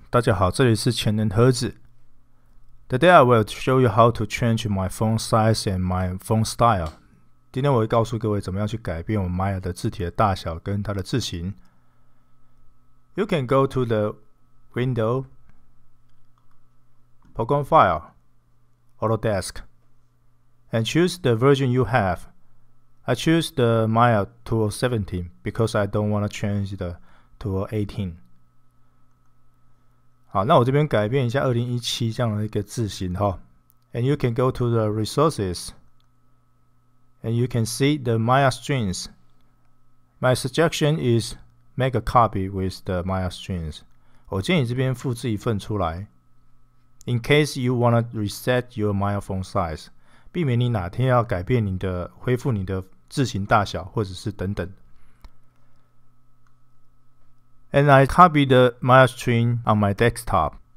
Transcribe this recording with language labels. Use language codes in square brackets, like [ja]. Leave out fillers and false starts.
[zh] 大家好，这里是潜能盒子。 [en] Today I will show you how to change my phone size and my phone style. [zh] 今天我会告诉各位怎么样去改变我 Maya 的字体的大小跟它的字型。 [en] You can go to the window, program file, Autodesk, and choose the version you have. I choose the Maya 2017 because I don't want to change the18. [zh] 好，那我这边改变一下2017这样的一个字型哈。 [en] And you can go to the resources, and you can see the Maya strings. My suggestion is make a copy with the Maya strings. [zh] 我建议这边复制一份出来。 [en] In case you wanna reset your Maya phone size, [zh] 避免你哪天要改变你的恢复你的字型大小，或者是等等。 [en] And I copy the Maya string on my desktop.